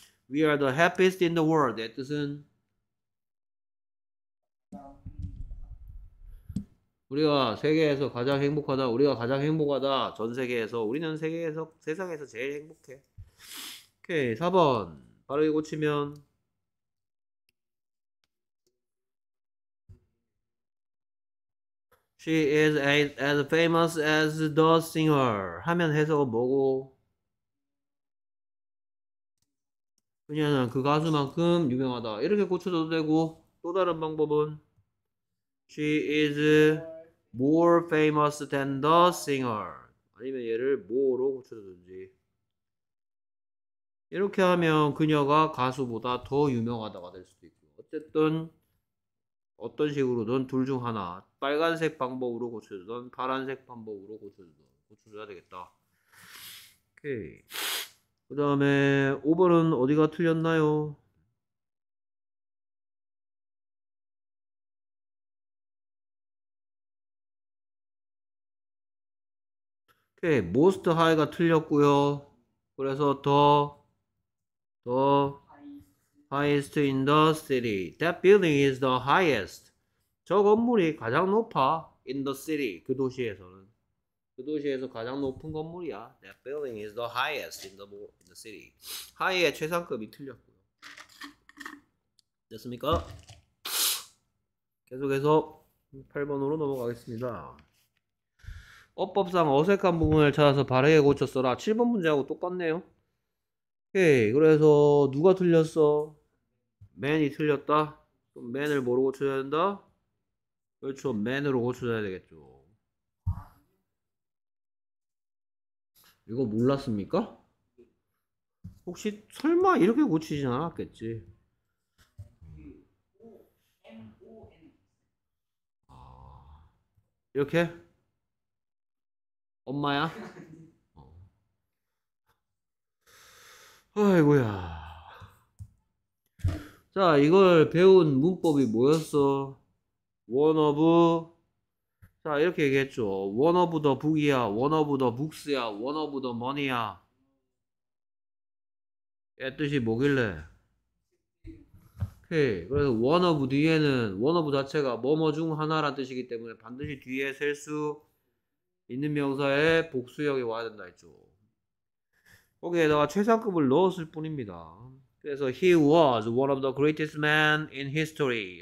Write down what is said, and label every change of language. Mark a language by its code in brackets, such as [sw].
[en] We are the happiest in the world. [ko] 내 뜻은 우리가 세계에서 가장 행복하다. 우리가 가장 행복하다. 전 세계에서. 우리는 세계에서, 세상에서 제일 행복해. 오케이, 4번. 바로 이거 치면 [en] She is as famous as the singer. [ko] 하면 해석은 뭐고? 그녀는 그 가수만큼 유명하다. 이렇게 고쳐줘도 되고, 또 다른 방법은 [en] She is more famous than the singer. [ko] 아니면 얘를 뭐로 고쳐줘든지. 이렇게 하면 그녀가 가수보다 더 유명하다가 될 수도 있고, 어쨌든 어떤 식으로든 둘중 하나, 빨간색 방법으로 고쳐주든 파란색 방법으로 고쳐줘야 되겠다. 오케이. 그 다음에 5번은 어디가 틀렸나요? 오케이. [en] Most high [ko] 가 틀렸고요. 그래서 더 [en] highest in the city. That building is the highest. [ko] 저 건물이 가장 높아. [en] In the city, [ko] 그 도시에서는. 그 도시에서 가장 높은 건물이야. [en] That building is the highest in the city. [ko] 하이의 최상급이 틀렸고요. 됐습니까? 계속해서 8번으로 넘어가겠습니다. 어법상 어색한 부분을 찾아서 바르게 고쳐 써라. 7번 문제하고 똑같네요. 오케이, 그래서 누가 틀렸어? 맨이 틀렸다. 그럼 맨을 뭐로 고쳐야 된다? 그렇죠. 맨으로 고쳐줘야 되겠죠. 이거 몰랐습니까? 혹시 설마 이렇게 고치진 않았겠지? 이렇게? 엄마야? 아이고야. 자, 이걸 배운 문법이 뭐였어? One of, 자, 이렇게 얘기했죠. [en] One of the book이야, one of the books야, one of the money야. [ko] 애 뜻이 뭐길래? 오케이. 그래서 one of 뒤에는 one of 자체가 뭐뭐 중 하나란 뜻이기 때문에 반드시 뒤에 셀수 있는 명사의 복수형이 와야 된다 했죠. 거기에다가 최상급을 넣었을 뿐입니다. 그래서 [en] he was one of the greatest men in history.